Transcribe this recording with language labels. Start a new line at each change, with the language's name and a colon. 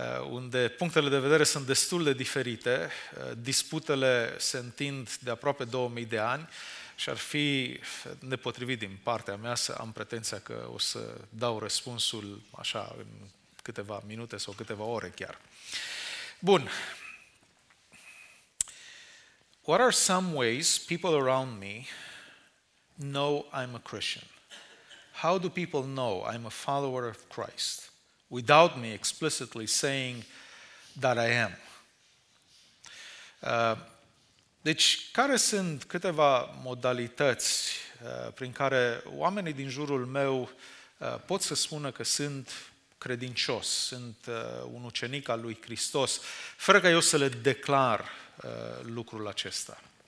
Romanian: unde punctele de vedere sunt destul de diferite, disputele se întind de aproape 2000 de ani și ar fi nepotrivit din partea mea să am pretenția că o să dau răspunsul așa în câteva minute sau câteva ore chiar. Bun.
English: What are some ways people around me know I'm a Christian? How do people know I'm a follower of Christ without me explicitly saying that I am?
Romanian: Deci, care sunt câteva modalități prin care oamenii din jurul meu pot să spună că sunt credincios, sunt un ucenic al lui Hristos, fără ca eu să le declar lucrul acesta?